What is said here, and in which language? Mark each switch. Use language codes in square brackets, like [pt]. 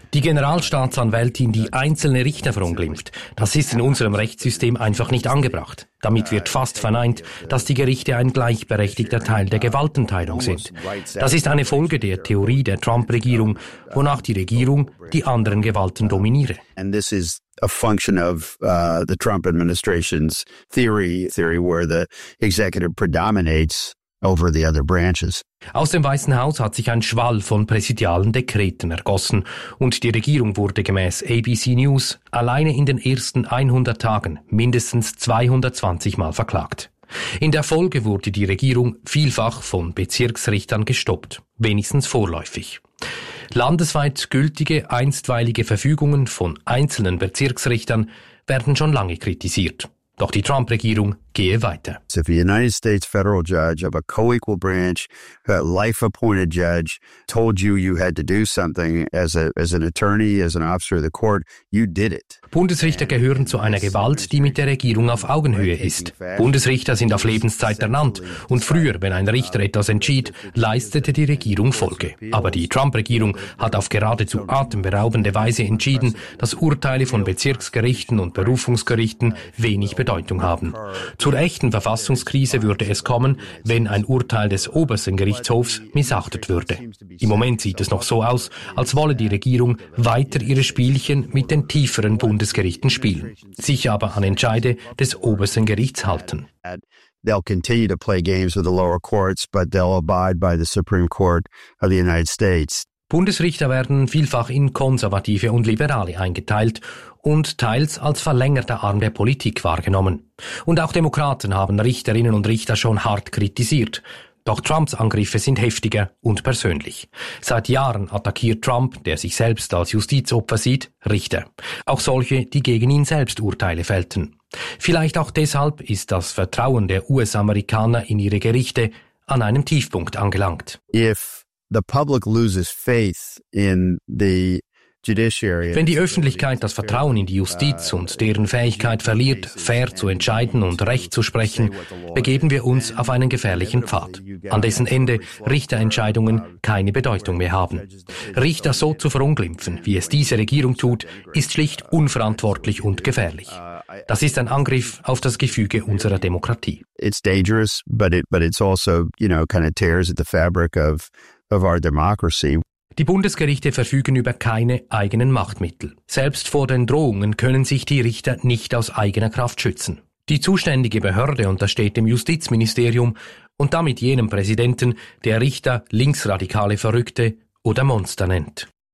[de] Die Generalstaatsanwältin, die einzelne Richter verunglimpft, das ist in unserem Rechtssystem einfach nicht angebracht. Damit wird fast verneint, dass die Gerichte ein gleichberechtigter Teil der Gewaltenteilung sind. Das ist eine Folge der Theorie der Trump-Regierung, wonach die Regierung die anderen Gewalten dominiere. [en] And this is a function of the Trump administration's theory where the executive predominates over the other branches. [de] Aus dem Weißen Haus hat sich ein Schwall von präsidialen Dekreten ergossen und die Regierung wurde gemäß ABC News alleine in den ersten 100 Tagen mindestens 220 Mal verklagt. In der Folge wurde die Regierung vielfach von Bezirksrichtern gestoppt, wenigstens vorläufig. Landesweit gültige einstweilige Verfügungen von einzelnen Bezirksrichtern werden schon lange kritisiert. Doch die Trump-Regierung gehe weiter. [en] If a United States federal judge of a co-equal branch, a life-appointed judge, told you you had to do something as an attorney, as an officer of the court, you did it. [de] Bundesrichter gehören zu einer Gewalt, die mit der Regierung auf Augenhöhe ist. Bundesrichter sind auf Lebenszeit ernannt und früher, wenn ein Richter etwas entschied, leistete die Regierung Folge. Aber die Trump-Regierung hat auf geradezu atemberaubende Weise entschieden, dass Urteile von Bezirksgerichten und Berufungsgerichten wenig Bedeutung haben. Zur echten Verfassungskrise würde es kommen, wenn ein Urteil des obersten Gerichtshofs missachtet würde. Im Moment sieht es noch so aus, als wolle die Regierung weiter ihre Spielchen mit den tieferen Bundesgerichten spielen, sich aber an Entscheide des obersten Gerichts halten. [en] They'll continue to play games with the lower courts, but they'll abide by the Supreme Court of the United States. [de] Bundesrichter werden vielfach in Konservative und Liberale eingeteilt und teils als verlängerter Arm der Politik wahrgenommen. Und auch Demokraten haben Richterinnen und Richter schon hart kritisiert. Doch Trumps Angriffe sind heftiger und persönlich. Seit Jahren attackiert Trump, der sich selbst als Justizopfer sieht, Richter. Auch solche, die gegen ihn selbst Urteile fällten. Vielleicht auch deshalb ist das Vertrauen der US-Amerikaner in ihre Gerichte an einem Tiefpunkt angelangt. [en] If the public loses faith in the [de] Wenn die Öffentlichkeit das Vertrauen in die Justiz und deren Fähigkeit verliert, fair zu entscheiden und Recht zu sprechen, begeben wir uns auf einen gefährlichen Pfad, an dessen Ende Richterentscheidungen keine Bedeutung mehr haben. Richter so zu verunglimpfen, wie es diese Regierung tut, ist schlicht unverantwortlich und gefährlich. Das ist ein Angriff auf das Gefüge unserer Demokratie. [en] It's dangerous, but it's also, you know, kind of tears at the fabric of our democracy. [de] Die Bundesgerichte verfügen über keine eigenen Machtmittel. Selbst vor den Drohungen können sich die Richter nicht aus eigener Kraft schützen. Die zuständige Behörde untersteht dem Justizministerium und damit jenem Präsidenten, der Richter linksradikale Verrückte oder Monster nennt.